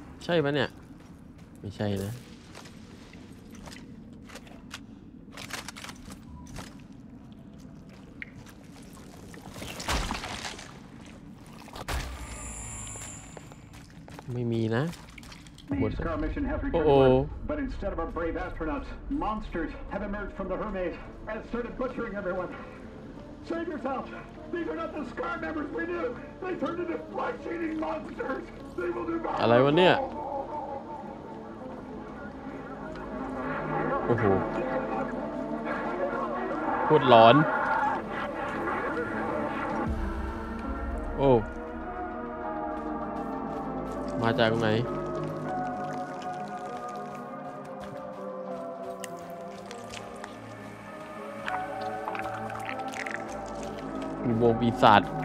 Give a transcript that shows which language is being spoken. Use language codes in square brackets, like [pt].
[th] ใช่ปะเนี่ยไม่ใช่นะไม่มีนะ หมดแล้ว โอ้โห [en] But instead of our brave astronauts, monsters have emerged from the Hermes and started butchering everyone. Save yourself! These are not the Scar members we knew. They turned into flesh-eating monsters. They will devour. [th] อะไรวะเนี่ยโอ้โหพูดหลอนโอ้มาจากไหนมีวงปีศาจ